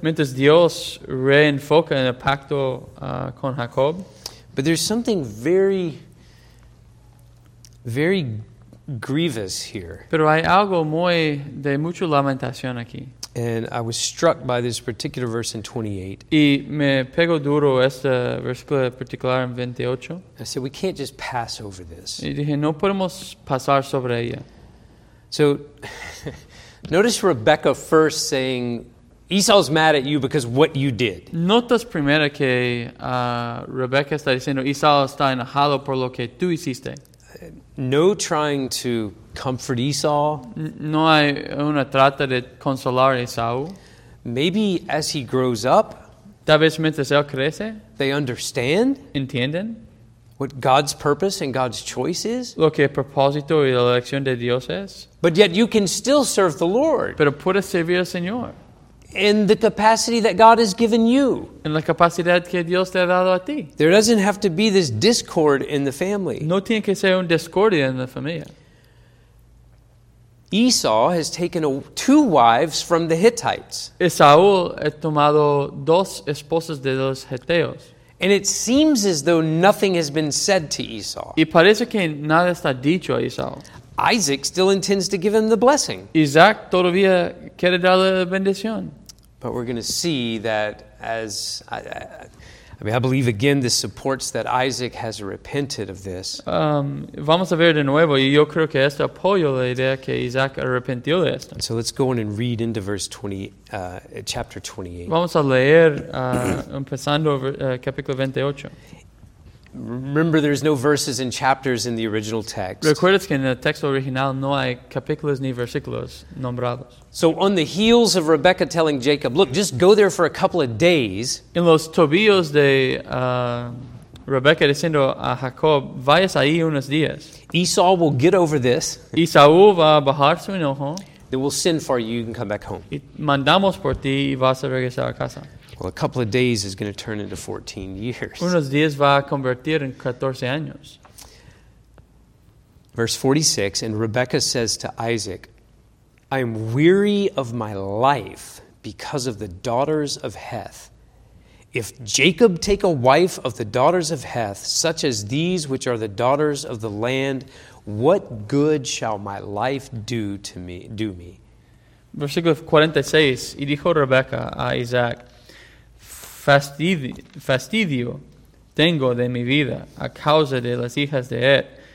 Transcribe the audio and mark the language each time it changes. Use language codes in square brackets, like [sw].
[es] Mientras Dios reenfoca en el pacto con Jacob. [en] But there's something very, very grievous here. [es] Pero hay algo muy de mucha lamentación aquí. [en] And I was struck by this particular verse in 28. [es] Y me pego duro este versículo particular en 28. [en] I said, we can't just pass over this. [es] Y dije, no podemos pasar sobre ella. [en] So, notice Rebecca first saying, Esau's mad at you because what you did. [es] Notas primero que Rebecca está diciendo, Esau está enojado por lo que tú hiciste. [en] No trying to comfort Esau. [es] No hay una trata de consolar a Esau. [en] Maybe as he grows up, [es] tal vez mientras él crece, [en] they understand. [es] Entienden. [en] What God's purpose and God's choice is. [es] Lo que el propósito y la elección de Dios es. [en] But yet you can still serve the Lord. [es] Pero puedes servir al Señor. [en] In the capacity that God has given you. [es] En la capacidad que Dios te ha dado a ti. [en] There doesn't have to be this discord in the family. [es] No tiene que ser un discordia en la familia. [en] Esau has taken two wives from the Hittites. [es] Esaú ha tomado dos esposas de los Heteos. [en] And it seems as though nothing has been said to Esau. [es] Y parece que nada está dicho a Esau. [en] Isaac still intends to give him the blessing. [es] Isaac todavía quiere darle la bendición. [en] But we're going to see that as I believe again this supports that Isaac has repented of this. [es] Vamos a ver de nuevo. Yo creo que esto apoya la idea que Isaac arrepintió de esto. [en] So let's go on and read into verse 20, chapter 28. [es] Vamos a leer empezando capítulo 28. [en] Remember, there's no verses and chapters in the original text. [es] Recuerdas que en el texto original no hay capítulos ni versículos nombrados. [en] So on the heels of Rebecca telling Jacob, look, just go there for a couple of days. [es] En los tobillos de Rebecca diciendo a Jacob, vayas ahí unos días. [en] Esau will get over this. [es] Esau va a bajar su enojo. [en] Then we'll send for you, you can come back home. [es] Y mandamos por ti y vas a regresar a casa. [en] Well, a couple of days is going to turn into 14 years. [es] Unos días va a convertir en 14 años. [en] Verse 46, and Rebecca says to Isaac, I am weary of my life because of the daughters of Heth. If Jacob take a wife of the daughters of Heth, such as these which are the daughters of the land, what good shall my life do me? [es] Versículo 46, y dijo Rebecca a Isaac, Fastidio tengo de mi vida a causa de las hijas de Het.